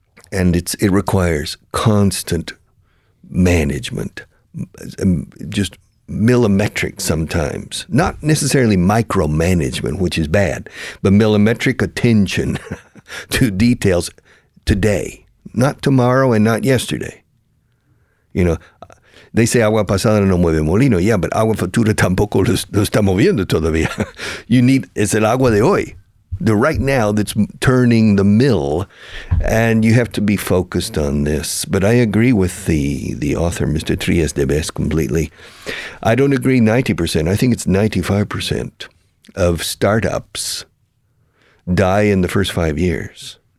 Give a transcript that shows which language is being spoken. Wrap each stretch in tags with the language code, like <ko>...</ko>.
<en>And it requires constant management, just millimetric sometimes, not necessarily micromanagement, which is bad, but millimetric attention to details today, not tomorrow and not yesterday. You know, they say</en> <es>agua pasada no mueve molino.</es> <en>Yeah, but</en> <es>agua futura tampoco lo está moviendo todavía.</es> <en>You need, it's</en> <es>el agua de hoy,</es> <en>the right now that's turning the mill, and you have to be focused on this. But I agree with the author, Mr. Trias de Bes, completely. I don't agree 90%. I think it's 95% of startups die in the first 5 years.</en>